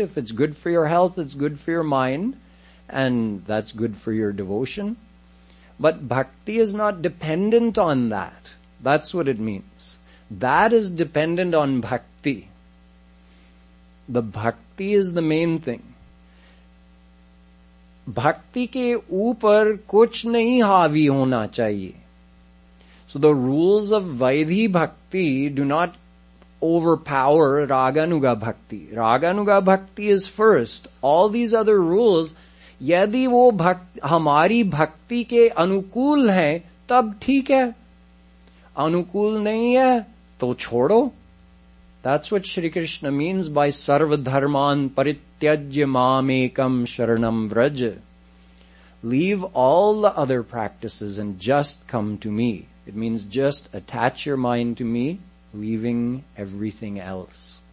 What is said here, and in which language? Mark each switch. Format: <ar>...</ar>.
<en>If it's good for your health, it's good for your mind, and that's good for your devotion. But bhakti is not dependent on that. That's what it means. That is dependent on bhakti. The bhakti is the main thing.</en> <hi>भक्ति के ऊपर कुछ नहीं हावी होना चाहिए.</hi> <en>So the rules of vaidhi bhakti do not overpower raganuga bhakti. Raganuga bhakti is first. All these other rules,</en> <hi>यदि वो हमारी भक्ति के अनुकूल है, तब ठीक है. अनुकूल नहीं है, तो छोड़ो.</hi> <en>That's what Shri Krishna means by</en> <sa>sarvadharman parityajya mamekam sharanam vraj.</sa> <en>Leave all the other practices and just come to me. It means just attach your mind to me, leaving everything else.</en>